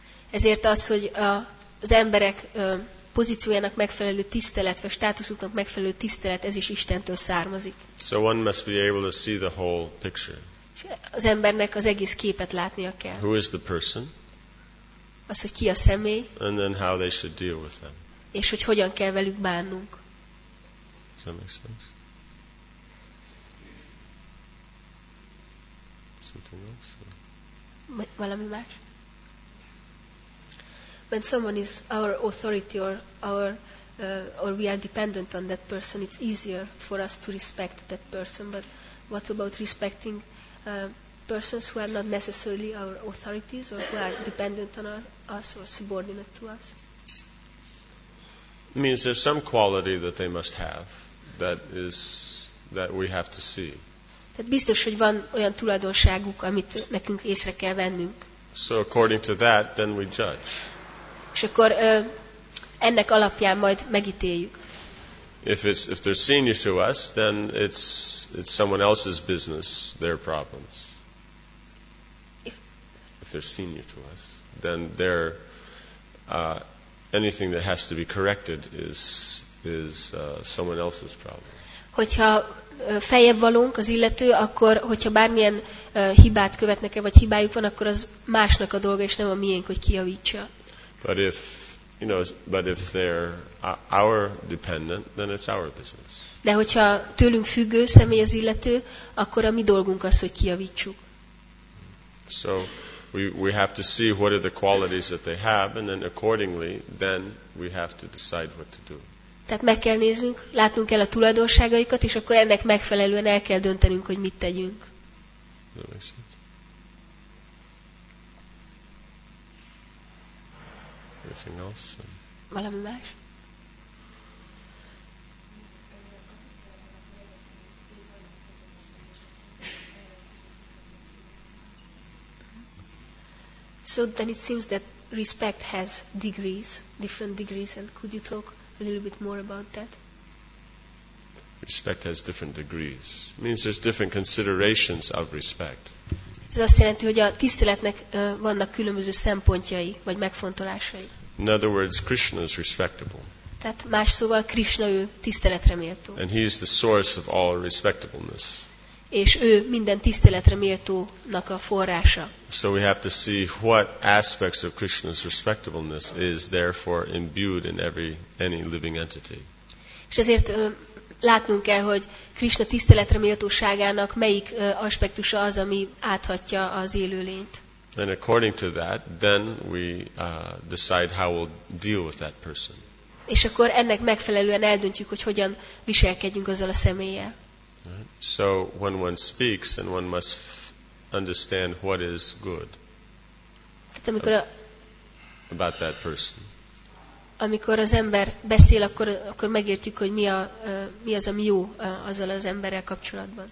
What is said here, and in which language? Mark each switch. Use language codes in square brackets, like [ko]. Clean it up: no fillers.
[hu] Ezért az, hogy az emberek pozíciójának megfelelő tisztelet, vagy státuszuknak megfelelő tisztelet, ez is Istentől származik. [en] So one must be able to see the whole picture. [hu] Az embernek az egész képet látnia kell. [en] Who is the person? [hu] Az, hogy ki a személy. [en] And then how they should deal with them. [hu] És hogy hogyan kell velük bánnunk. [en] Does that make sense? Something else? [hu] Valami más? [en] When someone is our authority or we are dependent on that person, it's easier for us to respect that person. But what about respecting persons who are not necessarily our authorities or who are dependent on us or subordinate to us? It means there's some quality that they must have that we have to see. [hu] Tehát biztos, hogy van olyan tulajdonságuk, amit nekünk észre kell vennünk. [en] So according to that, then we judge. [hu] És akkor ennek alapján majd megítéljük. [en] If they're senior to us, then it's someone else's business, their problems. If they're senior to us, then their anything that has to be corrected is someone else's problem. [hu] Hogyha feljebb valónk az illető, akkor hogyha bármilyen hibát követnek el, vagy hibájuk van, akkor az másnak a dolga, és nem a miénk, hogy kijavítsa. [en] But if, you know, but if they're our dependent, then it's our business. [hu] De hogyha tőlünk függő személy az illető, akkor a mi dolgunk az, hogy kijavítsuk. [en] So we have to see what are the qualities that they have, and then accordingly, then we have to decide what to do. [hu] Tehát meg kell néznünk, látnunk kell a tulajdonságaikat, és akkor ennek megfelelően el kell döntenünk, hogy mit tegyünk. [en] Anything else? [hu] Valami más? [en] So then it seems that respect has degrees, different degrees, and could you talk a little bit more about that? Respect has different degrees. It means there's different considerations of respect. [hu] Ez azt jelenti, hogy a tiszteletnek vannak különböző szempontjai, vagy megfontolásai. [en] In other words, Krishna is respectable. [hu] Tehát más szóval Krishna ő tiszteletre méltó. [en] And he is the source of all respectableness. [hu] És ő minden tiszteletre méltónak a forrása. [en] So we have to see what aspects of Krishna's respectableness is therefore imbued in any living entity. [hu] És ezért látnunk kell, hogy Krishna tiszteletre méltóságának melyik aspektusa az, ami áthatja az élőlényt. [en] And according to that, then we decide how we'll deal with that person. [hu] És akkor ennek megfelelően eldöntjük, hogy hogyan viselkedjünk azzal a személlyel. [en] Right. So when one speaks, then one must understand what is good about that person. [hu] Amikor az ember beszél, akkor megértjük, hogy mi az, ami jó azzal az emberrel kapcsolatban.